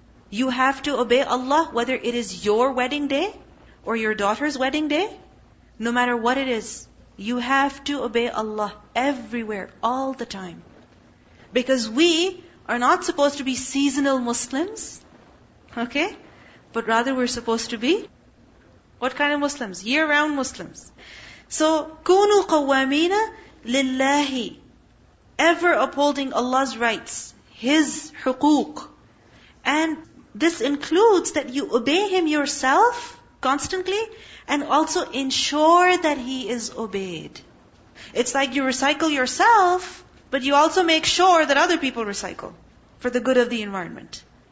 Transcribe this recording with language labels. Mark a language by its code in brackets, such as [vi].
[en] You have to obey Allah whether it is your wedding day or your daughter's wedding day. No matter what it is, You have to obey Allah everywhere, all the time. Because we are not supposed to be seasonal Muslims. Okay? But rather we're supposed to be, what kind of Muslims? Year-round Muslims. [ar] So, كُونُوا قَوَّامِينَ لِلَّهِ. [en] Ever upholding Allah's rights, His حُقُوق. And this includes that you obey Him yourself constantly, and also ensure that He is obeyed. It's like you recycle yourself, but you also make sure that other people recycle for the good of the environment.